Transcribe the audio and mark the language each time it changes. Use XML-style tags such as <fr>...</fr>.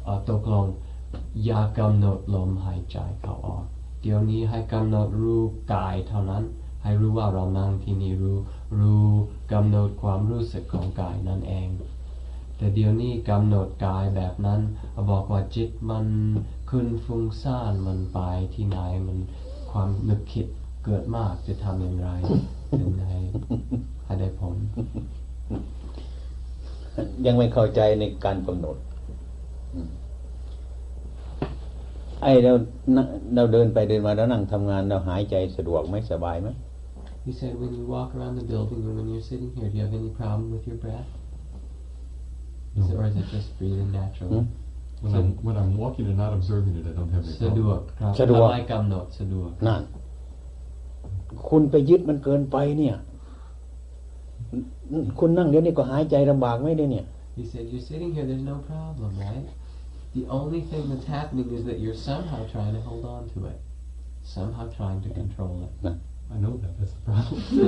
<th>ตกลงอย่ากำหนดลมหายใจเขาออกเดี๋ยวนี้ให้กำหนดรู้กายเท่านั้นให้รู้ว่าเรานั่งที่นี่รู้กำหนดความรู้สึกของกายนั่นเองแต่เดี๋ยวนี้กำหนดกายแบบนั้นบอกว่าจิตมันขึ้นฟุ้งซ่านมันไปที่ไหนมันความนึกคิดเกิดมากจะทำอย่างไรถึงให้ได้ผล ยังไม่เข้าใจในการกำหนดไอ้เราเดินไปเดินมาแล้วนั่งทำงานเราหายใจสะดวกไหมสบายไหม</th> <en>You said when you walk around the building or when you're sitting here, do you have any problem with your breath? Is it, or is it just breathing naturally? When I'm walking and not observing it, I don't have any problem.</en> <th>สะดวก ทำไม กำหนด สะดวก นั่น คุณไปยึดมันเกินไปเนี่ย คุณนั่งเดี๋ยวนี้ก็หายใจลำบากไหมเนี่ย</th> <en>He said, you're sitting here, there's no problem, right? The only thing that's happening is that you're somehow trying to hold on to it. Somehow trying to control it. I know that, that's the problem.</en>